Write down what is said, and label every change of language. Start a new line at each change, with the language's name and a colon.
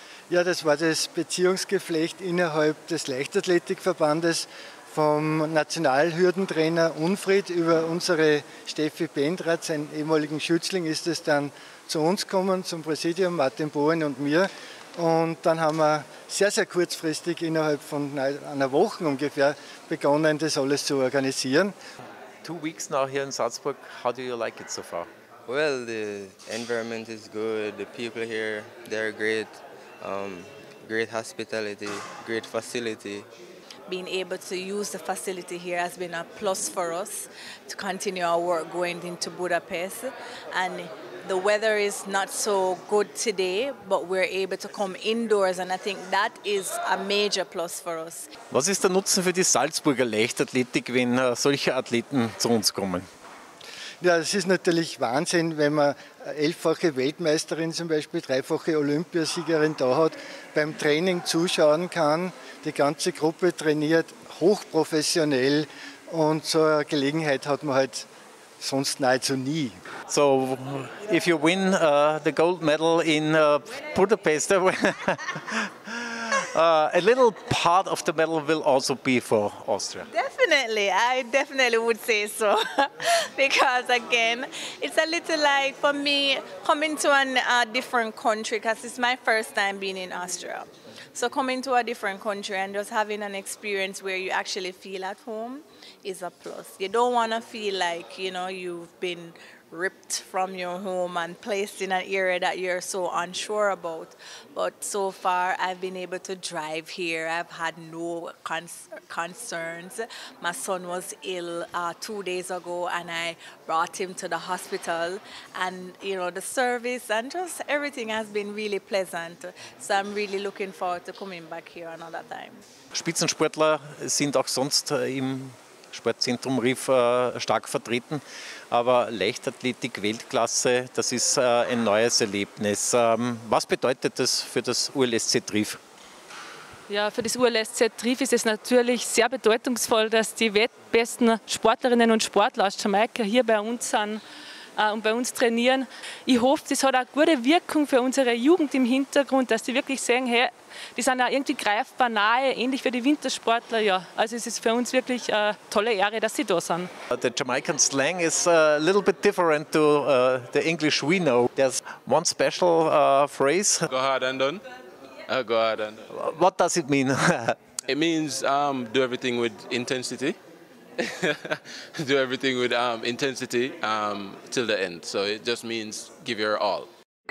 German: Ja, das war das Beziehungsgeflecht innerhalb des Leichtathletikverbandes vom Nationalhürdentrainer Unfried über unsere Steffi Bendrath, seinen ehemaligen Schützling, ist es dann zu uns gekommen, zum Präsidium, Martin Bohen und mir. Und dann haben wir sehr, sehr kurzfristig innerhalb von einer Woche ungefähr begonnen, das alles zu organisieren.
English: 2 weeks now here in Salzburg, how do you like it so far? Well, the environment is good, the people here, they're great. Great hospitality, great facility. Being able to use the facility here has been a plus for us to continue our work going into Budapest. And the weather is not so good today, but we're able to come indoors and I think that is a major plus for us.
German: Was ist der Nutzen für die Salzburger Leichtathletik, wenn solche Athleten zu uns kommen? Ja, es ist natürlich Wahnsinn, wenn man 11-fache Weltmeisterin zum Beispiel, 3-fache Olympiasiegerin da hat, beim Training zuschauen kann. Die ganze Gruppe trainiert hochprofessionell und so eine Gelegenheit hat man halt sonst nahezu nie.
English: So, if you win the gold medal in Budapest, a little part of the medal will also be for Austria. Definitely, I definitely would say so. Because again, it's a little like for me coming to a different country, because it's my first time being in Austria. So coming to a different country and just having an experience where you actually feel at home is a plus. You don't want to feel like, you know, you've been ripped from your home and placed in an area that you're so unsure about. But so far, I've been able to drive here. I've had no concerns. My son was ill 2 days ago and I brought him to the hospital. And, you know, the service and just everything has been really pleasant. So I'm really looking forward to coming back here another time.
German: Spitzensportler sind auch sonst im Sportzentrum Rief stark vertreten, aber Leichtathletik, Weltklasse, das ist ein neues Erlebnis. Was bedeutet das für das ULSZ Rief? Ja, für das ULSZ Rief ist es natürlich sehr bedeutungsvoll, dass die weltbesten Sportlerinnen und Sportler aus Jamaika hier bei uns sind und bei uns trainieren. Ich hoffe, das hat auch gute Wirkung für unsere Jugend im Hintergrund, dass die wirklich sehen, hey, die sind ja irgendwie greifbar nahe, ähnlich wie die Wintersportler. Ja, also es ist für uns wirklich eine tolle Ehre, dass sie da sind.
English: The Jamaican slang is a little bit different to the English we know. There's one special phrase. Go ahead, Andon. Go ahead, Andon. What does it mean? It means do everything with intensity. Do everything with intensity till the end. So it just means give your all.